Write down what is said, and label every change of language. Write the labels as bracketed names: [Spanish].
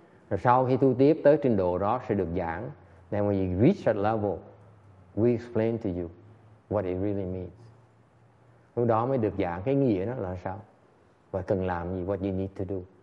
[Vietnamese] Rồi sau khi tu tiếp tới trình độ đó sẽ được giảng. [English] Then when you reach that level, we explain to you what it really means. [Vietnamese] Lúc đó mới được giảng cái nghĩa đó là sao. Và cần làm gì, [English] what you need to do.